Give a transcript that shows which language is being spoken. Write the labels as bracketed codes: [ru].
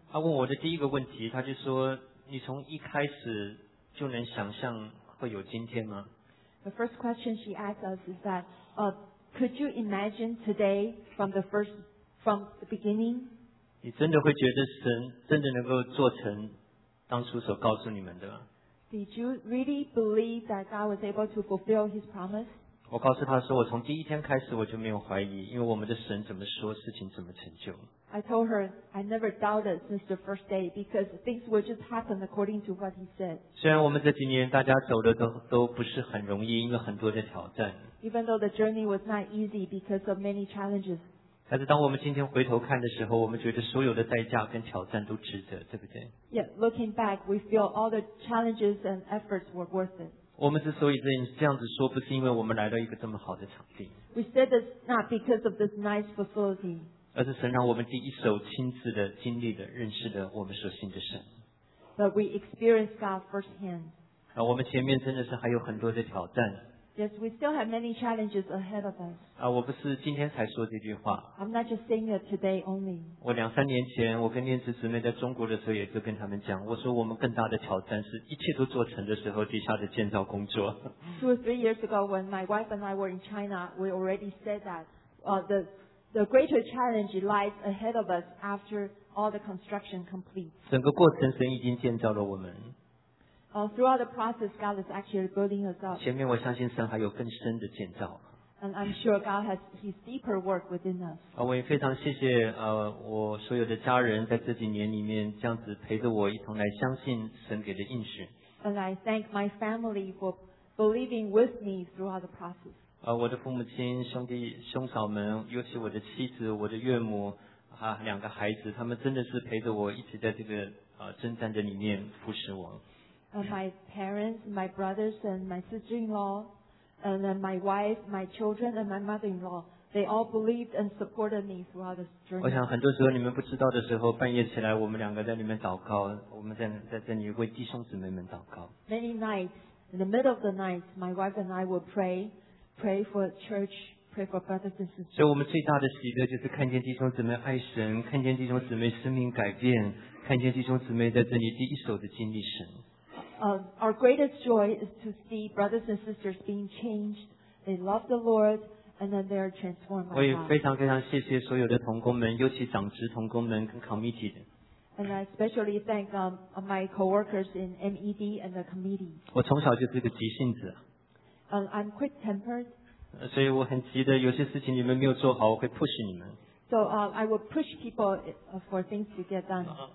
[zh] 他问我的第一个问题，他就说：“你从一开始就能想象会有今天吗？” [en] The first question she asked us is that, could you imagine today from the beginning? [zh] 你真的会觉得神真的能够做成？当初所告诉你们的。 [en] Did you really believe that God was able to fulfill His promise? [zh] 我告诉他说，我从第一天开始我就没有怀疑，因为我们的神怎么说，事情怎么成就。 [en] I told her I never doubted since the first day because things would just happen according to what He said. [zh] 虽然我们这几年大家走的都不是很容易，因为很多的挑战。 [en] Even though the journey was not easy because of many challenges. [zh] 但是当我们今天回头看的时候，我们觉得所有的代价跟挑战都值得，对不对？ [en] Yeah, looking back, we feel all the challenges and efforts were worth it. [zh] 我们之所以这样子说，不是因为我们来到一个这么好的场地。 [en] We said this not because of this nice facility. [zh] 而是神让我们第一手亲自的经历的认识的我们所信的神。 [en] But we experienced God firsthand. [zh] 我们前面真的是还有很多的挑战。 [en] Yes, we still have many challenges ahead of us. [zh] 我不是今天才说这句话。 [en] I'm not just saying it today only. [zh] 我两三年前，我跟念慈姊妹在中国的时候，也就跟他们讲，我说我们更大的挑战是一切都做成的时候，底下的建造工作。 [en] Two or three years ago, when my wife and I were in China, we already said that the greater challenge lies ahead of us after all the construction complete. [zh] 整个过程，神已经建造了我们。 [en] Throughout the process, God is actually building us up. [zh] 前面我相信神还有更深的建造。 [en] And I'm sure God has His deeper work within us. [zh] 我也非常谢谢我所有的家人在这几年里面这样子陪着我一同来相信神给的应许。 [en] And I thank my family for believing with me throughout the process. [zh] 我的父母亲、兄弟、兄嫂们，尤其我的妻子、我的岳母啊，两个孩子，他们真的是陪着我一直在这个征战的里面服侍我。 [en] My parents, my brothers, and my sister-in-law, and then my wife, my children, and my mother-in-law, they all believed and supported me throughout this journey. [zh] 我想很多时候你们不知道的时候，半夜起来我们两个在里面祷告，我们在这里为弟兄姊妹们祷告。 [en] Many nights, in the middle of the night, my wife and I will pray for church pray for brothers and sisters. [zh] 所以我们最大的喜乐就是看见弟兄姊妹爱神, 看见弟兄姊妹生命改变, 看见弟兄姊妹在这里第一手的经历神。 [en] Our greatest joy is to see brothers and sisters being changed. They love the Lord, and then they are transformed. [zh] 我也非常非常谢谢所有的同工们, 尤其长职同工们, 跟committee的。 [en] And I especially thank my co-workers in MED and the committee. [zh] 我从小就是个急性子。 [en] I'm quick-tempered. [zh] 所以我很急的，有些事情你们没有做好，我会push你们。 [en] So I will push people for things to get done.